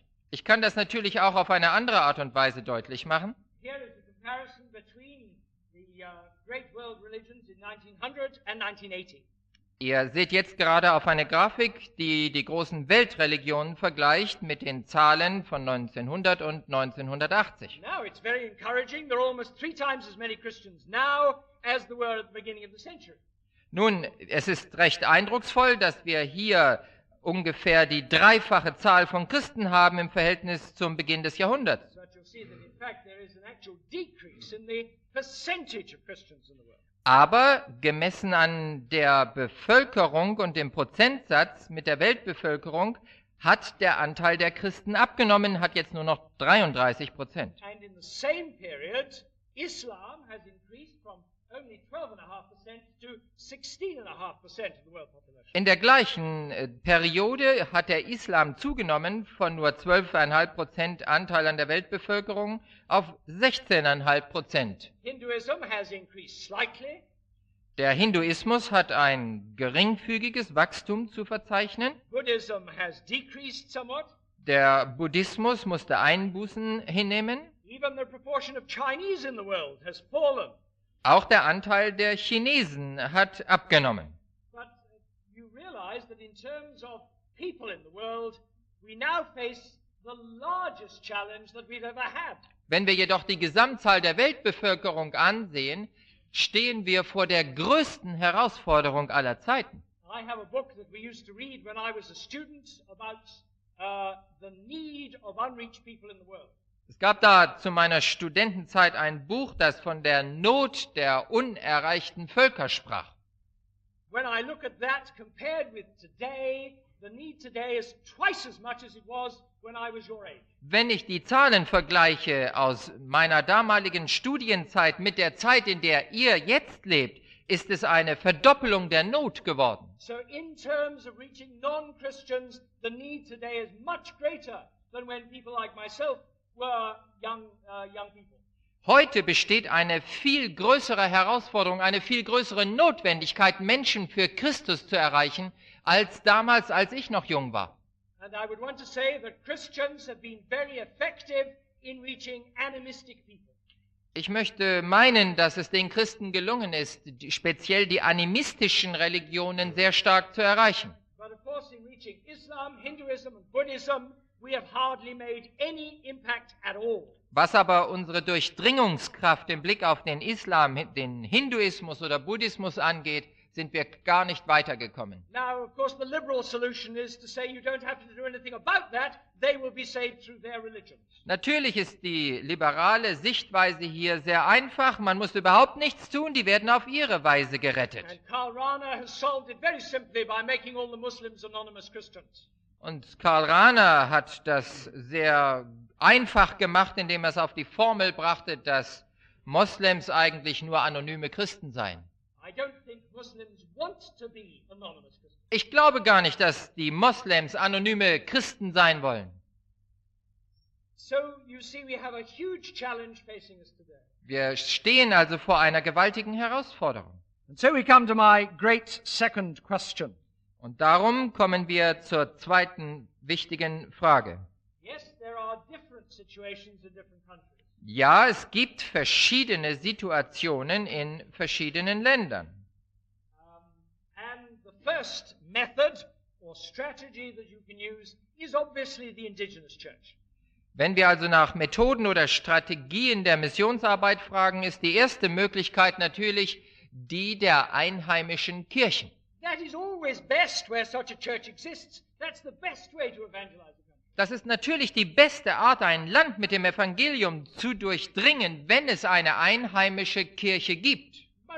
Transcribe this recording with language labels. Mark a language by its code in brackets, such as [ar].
[de] Ich kann das natürlich auch auf eine andere Art und Weise deutlich machen. [en] Here is the comparison between the great world religions in 1900 and 1980. [de] Ihr seht jetzt gerade auf eine Grafik, die die großen Weltreligionen vergleicht mit den Zahlen von 1900 und 1980. [en] Now it's very encouraging. There are almost three times as many Christians now as there were at the beginning of the century. [de] Nun, es ist recht eindrucksvoll, dass wir hier ungefähr die dreifache Zahl von Christen haben im Verhältnis zum Beginn des Jahrhunderts. [en] But you'll see that in fact there is an actual decrease in the percentage of Christians in the world. [de] Aber gemessen an der Bevölkerung und dem Prozentsatz mit der Weltbevölkerung hat der Anteil der Christen abgenommen, hat jetzt nur noch 33%. [en] And in the same period, Islam has increased from only 12.5% to 16.5% of the world population. [de] In der gleichen Periode hat der Islam zugenommen von nur 12.5% Anteil an der Weltbevölkerung auf 16.5%. [en] Hinduism has increased slightly. [de] Der Hinduismus hat ein geringfügiges Wachstum zu verzeichnen. [en] Buddhism has decreased somewhat. [de] Der Buddhismus musste Einbußen hinnehmen. [en] Even the proportion of Chinese in the world has fallen. [de] Auch der Anteil der Chinesen hat abgenommen. [en] But you realize that in terms of people in the world, we now face the largest challenge that we've ever had. [de] Wenn wir jedoch die Gesamtzahl der Weltbevölkerung ansehen, stehen wir vor der größten Herausforderung aller Zeiten. [en] I have a book that we used to read when I was a student about the need of unreached people in the world. [de] Es gab da zu meiner Studentenzeit ein Buch, das von der Not der unerreichten Völker sprach. [en] When I look at that compared with today, the need today is twice as much as it was when I was your age. [de] Wenn ich die Zahlen vergleiche aus meiner damaligen Studienzeit mit der Zeit, in der ihr jetzt lebt, ist es eine Verdoppelung der Not geworden. [en] So in terms of reaching non-Christians, the need today is much greater than when people like myself were young people. [de] Heute besteht eine viel größere Herausforderung, eine viel größere Notwendigkeit, Menschen für Christus zu erreichen, als damals, als ich noch jung war. [en] And I would want to say that Christians have been very effective in reaching animistic people. [de] Ich möchte meinen, dass es den Christen gelungen ist, speziell die animistischen Religionen sehr stark zu erreichen. [en] But of course in reaching Islam, Hinduism and Buddhism, we have hardly made any impact at all. [de] Was aber unsere Durchdringungskraft im Blick auf den Islam, den Hinduismus oder Buddhismus angeht, sind wir gar nicht weitergekommen. [en] Now, of course, the liberal solution is to say you don't have to do anything about that. They will be saved through their religions. [de] Natürlich ist die liberale Sichtweise hier sehr einfach. Man muss überhaupt nichts tun. Die werden auf ihre Weise gerettet. [en] And Karl Rahner has solved it very simply by making all the Muslims anonymous Christians. [de] Und Karl Rahner hat das sehr einfach gemacht, indem er es auf die Formel brachte, dass Moslems eigentlich nur anonyme Christen seien. [en] I don't think Muslims want to be anonymous Christians. [de] Ich glaube gar nicht, dass die Moslems anonyme Christen sein wollen. [en] So you see, we have a huge challenge facing us today. [de] Wir stehen also vor einer gewaltigen Herausforderung. [en] And so we come to my great second question. [de] Und darum kommen wir zur zweiten wichtigen Frage. [en] Yes, there are different situations in different countries. [de] Ja, es gibt verschiedene Situationen in verschiedenen Ländern. [en] And the first method or strategy that you can use is obviously the indigenous church. [de] Wenn wir also nach Methoden oder Strategien der Missionsarbeit fragen, ist die erste Möglichkeit natürlich die der einheimischen Kirchen. [en] That is always best where such a church exists. That's the best way to evangelize. [de] Das ist natürlich die beste Art, ein Land mit dem Evangelium zu durchdringen, wenn es eine einheimische Kirche gibt.